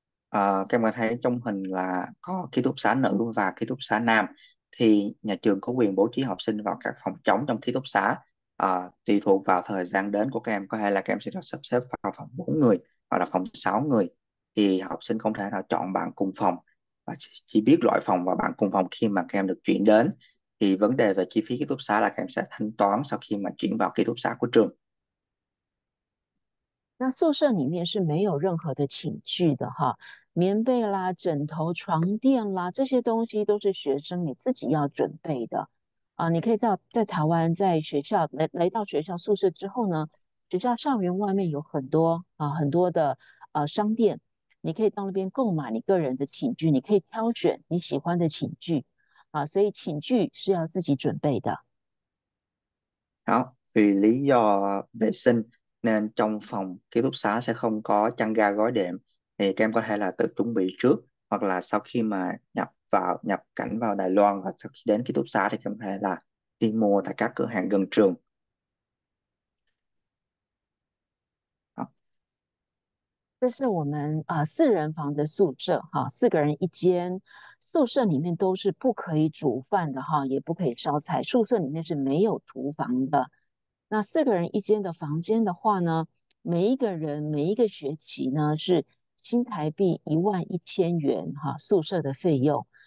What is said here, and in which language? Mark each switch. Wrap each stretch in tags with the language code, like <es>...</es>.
<vi>Các em có thấy trong hình là có ký túc xá nữ và ký túc xá nam thì nhà trường có quyền bố trí học sinh vào các phòng trống trong ký túc xá tùy thuộc vào thời gian đến của các em có thể là các em sẽ được sắp xếp vào phòng 4 người hoặc là phòng 6 người thì học sinh không thể nào chọn bạn cùng phòng và chỉ biết loại phòng và bạn cùng phòng khi mà các em được chuyển đến thì vấn đề về chi phí ký túc xá là các em sẽ thanh toán sau khi mà chuyển vào ký túc xá của trường.</vi> <zh>那宿舍里面是没有任何的寝具的哈，棉被啦、枕头、床垫啦，这些东西都是学生你自己要准备的啊。你可以在台湾，在学校来到学校宿舍之后呢，学校校园外面有很多的商店，你可以到那边购买你个人的寝具，你可以挑选你喜欢的寝具啊。所以寝具是要自己准备的。</zh> <vi>Đó, vì lý do vệ sinh nên trong phòng ký túc xá sẽ không có chăn ga gối đệm thì các em có thể là tự chuẩn bị trước hoặc là sau khi mà nhập cảnh vào Đài Loan và sau khi đến ký túc xá thì các em có thể là đi mua tại các cửa hàng gần trường.</vi> <zh>这是我们4人房的宿舍哈，4个人一间，宿舍里面都是不可以煮饭的哈，也不可以烧菜，宿舍里面是没有厨房的。那4个人一间的房间的话呢，每一个学期呢是新台币11,000元哈，宿舍的费用。</zh>